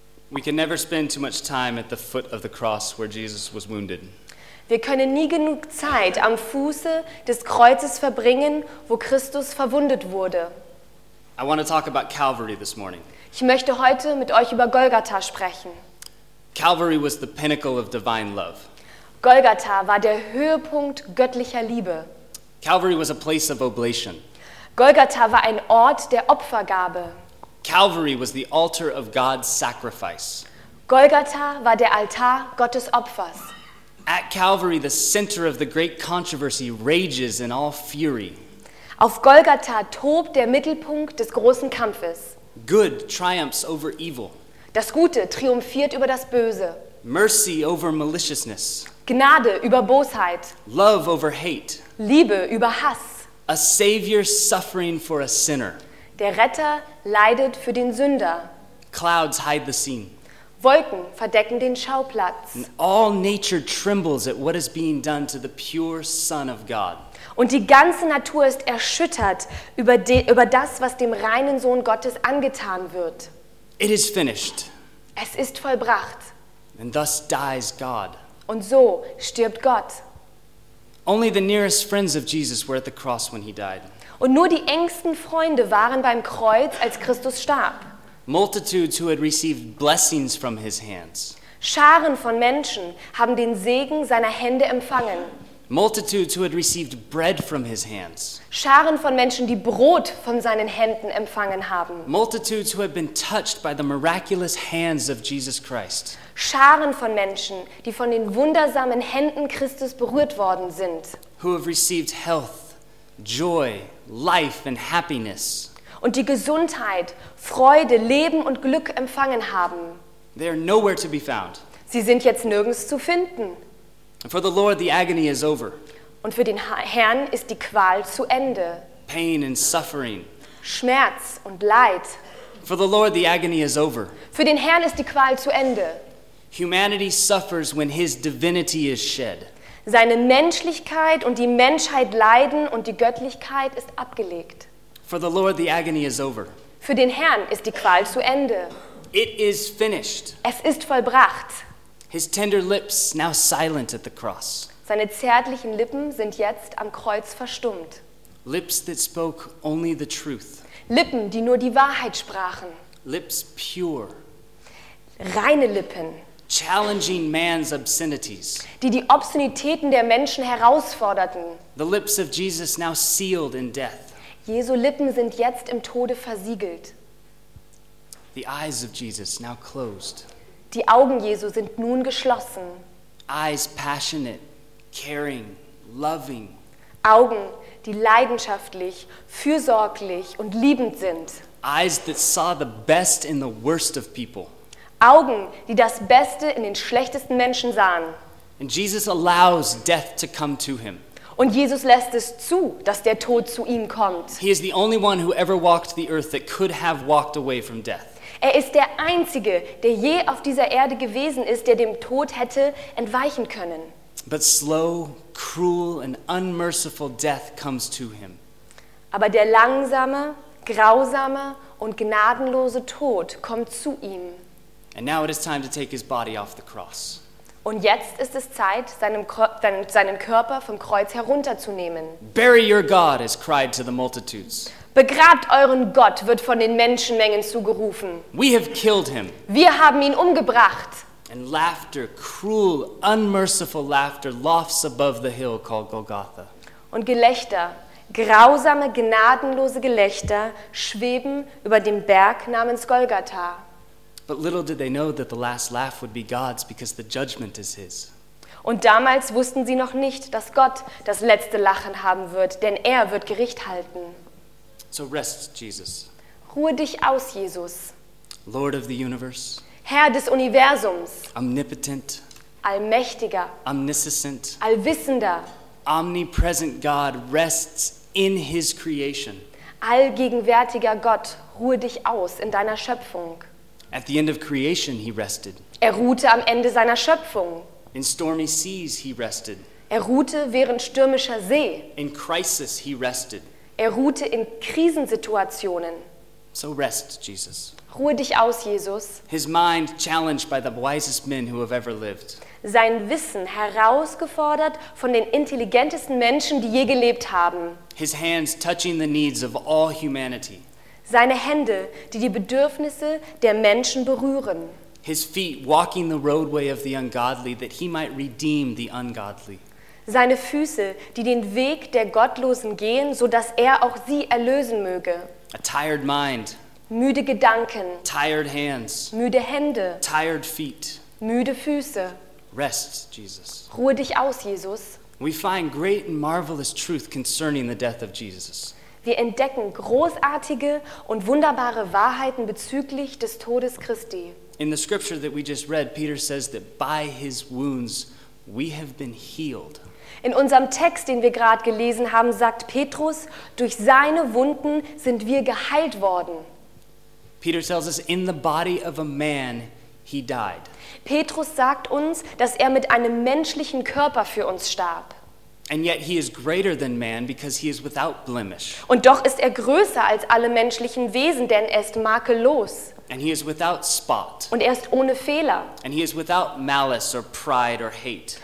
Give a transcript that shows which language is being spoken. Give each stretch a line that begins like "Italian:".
English: We can never spend too much time at the foot of the cross where Jesus was wounded.
German: Wir können nie genug Zeit am Fuße des Kreuzes verbringen, wo Christus verwundet wurde.
English: I want to talk about Calvary this morning.
German: Ich möchte heute mit euch über Golgatha sprechen.
English: Calvary was the pinnacle of divine love.
German: Golgatha war der Höhepunkt göttlicher Liebe.
English: Calvary was a place of oblation.
German: Golgatha war ein Ort der Opfergabe.
English: Calvary was the altar of God's sacrifice.
German: Golgatha war der Altar Gottes Opfers.
English: At Calvary, the center of the great controversy rages in all fury.
German: Auf Golgatha tobt der Mittelpunkt des großen Kampfes.
English: Good triumphs over evil.
German: Das Gute triumphiert über das Böse.
English: Mercy over maliciousness.
German: Gnade über Bosheit.
English: Love over hate.
German: Liebe über Hass.
English: A savior suffering for a sinner.
German: Der Retter leidet für den Sünder.
English: Clouds hide the scene.
German: Wolken verdecken den Schauplatz.
English: And all nature trembles at what is being done to the pure Son of God.
German: Und die ganze Natur ist erschüttert über das, was dem reinen Sohn Gottes angetan wird.
English: It is finished.
German: Es ist vollbracht.
English: And thus dies God.
German: Und so stirbt Gott.
English: Only the nearest friends of Jesus were at the cross when he died.
German: Und nur die engsten Freunde waren beim Kreuz, als Christus starb.
English: Multitudes who had received blessings from his hands.
German: Scharen von Menschen haben den Segen seiner Hände empfangen.
English: Multitudes who had received bread from his hands.
German: Scharen von Menschen, die Brot von seinen Händen empfangen haben.
English: Multitudes who had been touched by the miraculous hands of Jesus Christ.
German: Scharen von Menschen, die von den wundersamen Händen Christus berührt worden sind.
English: Who have received health, joy, life and happiness.
German: Und die Gesundheit, Freude, Leben und Glück empfangen haben.
English: They are nowhere to be found.
German: Sie sind jetzt nirgends zu finden.
English: For the Lord, the agony is over.
German: Und für den Herrn ist die Qual zu Ende.
English: Pain and suffering.
German: Schmerz und Leid.
English: For the Lord, the agony is over.
German: Für den Herrn ist die Qual zu Ende.
English: Humanity suffers when his divinity is shed.
German: Seine Menschlichkeit und die Menschheit leiden und die Göttlichkeit ist abgelegt.
English: For the Lord, the agony is over.
German: Für den Herrn ist die Qual zu Ende.
English: It is finished.
German: Es ist vollbracht.
English: His tender lips now silent at the cross.
German: Seine zärtlichen Lippen sind jetzt am Kreuz verstummt.
English: Lips that spoke only the truth.
German: Lippen, die nur die Wahrheit sprachen.
English: Lips pure.
German: Reine Lippen.
English: Challenging man's obscenities.
German: Die Obszönitäten der Menschen herausforderten.
English: The lips of Jesus now sealed in death.
German: Jesu Lippen sind jetzt im Tode versiegelt.
English: The eyes of Jesus now closed.
German: Die Augen Jesu sind nun geschlossen.
English: Eyes passionate, caring, loving.
German: Augen, die leidenschaftlich, fürsorglich und liebend sind.
English: Eyes that saw the best in the worst of people.
German: Augen, die das Beste in den schlechtesten Menschen sahen.
English: And Jesus allows death to come to him.
German: Und Jesus lässt es zu, dass der Tod zu ihm kommt.
English: He is the only one who ever walked the earth that could have walked away from death.
German: Er ist der Einzige, der je auf dieser Erde gewesen ist, der dem Tod hätte entweichen können.
English: But slow, cruel and unmerciful death comes to him.
German: Aber der langsame, grausame und gnadenlose Tod kommt zu ihm.
English: And now it is time to take his body off the cross.
German: Und jetzt ist es Zeit, seinen Körper vom Kreuz herunterzunehmen.
English: Bury your God, is cried to the multitudes.
German: Begrabt euren Gott, wird von den Menschenmengen zugerufen.
English: We have killed him.
German: Wir haben ihn umgebracht.
English: And laughter, cruel, unmerciful laughter, lofts above the hill called Golgotha.
German: Und Gelächter, grausame, gnadenlose Gelächter, schweben über dem Berg namens Golgatha.
English: But little did they know that the last laugh would be God's, because the judgment is his.
German: Und damals wussten sie noch nicht, dass Gott das letzte Lachen haben wird, denn er wird Gericht halten.
English: So rest, Jesus.
German: Ruhe dich aus, Jesus.
English: Lord of the universe.
German: Herr des Universums.
English: Omnipotent.
German: Allmächtiger.
English: Omniscient.
German: Allwissender.
English: Omnipresent God rests in his creation.
German: Allgegenwärtiger Gott, ruhe dich aus in deiner Schöpfung.
English: At the end of creation he rested.
German: Er ruhte am Ende seiner Schöpfung.
English: In stormy seas he rested.
German: Er ruhte während stürmischer See.
English: In crisis he rested.
German: Er ruhte in Krisensituationen.
English: So rest, Jesus.
German: Ruhe dich aus, Jesus.
English: His mind challenged by the wisest men who have ever lived.
German: Sein Wissen herausgefordert von den intelligentesten Menschen, die je gelebt haben.
English: His hands touching the needs of all humanity.
German: Seine Hände, die die Bedürfnisse der Menschen berühren.
English: His feet walking the roadway of the ungodly, that he might redeem the ungodly.
German: Seine Füße, die den Weg der Gottlosen gehen, so dass er auch sie erlösen möge.
English: A tired mind.
German: Müde Gedanken.
English: Tired hands.
German: Müde Hände.
English: Tired feet.
German: Müde Füße.
English: Rest, Jesus.
German: Ruhe dich aus, Jesus.
English: We find great and marvelous truth concerning the death of Jesus.
German: Wir entdecken großartige und wunderbare Wahrheiten bezüglich des Todes Christi.
English: In the scripture that we just read, Peter says that by his wounds we have been healed.
German: In unserem Text, den wir gerade gelesen haben, sagt Petrus, durch seine Wunden sind wir geheilt worden.
English: Peter tells us, in the body of a man he died.
German: Petrus sagt uns, dass er mit einem menschlichen Körper für uns starb.
English: And yet he is greater than man because he is without blemish.
German: Und doch ist er größer als alle menschlichen Wesen, denn er ist makellos.
English: And he is without spot.
German: Und er ist ohne Fehler.
English: And he is without malice or pride or hate.